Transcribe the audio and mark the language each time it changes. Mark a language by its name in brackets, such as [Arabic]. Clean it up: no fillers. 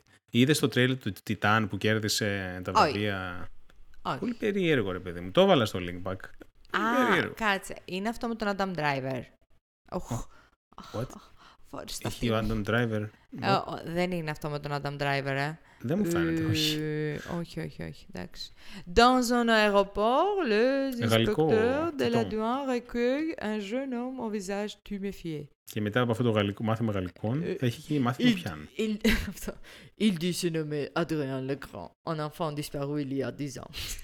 [Greek] Είδες το τρέιλερ του Τιτάν που κέρδισε τα βραβεία. Όχι. Πολύ περίεργο, ρε παιδί μου. Το έβαλα στο link back. Α, περίεργο. Κάτσε. Είναι αυτό με τον Adam Driver. [English] What? [Greek] Έχει ο Adam Driver. Δεν είναι αυτό με τον Adam Driver, ε. Δεν μου φαίνεται, όχι. Όχι, εντάξει. [French] Dans un aéroport, le inspecteur de la douane recueille un jeune homme au visage tuméfié. [Greek] Και μετά από αυτό το γαλλικό μάθημα γαλλικών, θα έχει και μάθημα πιάν. [French] Il dit se nommer Adrien Legrand, un enfant disparu il y a 10 ans.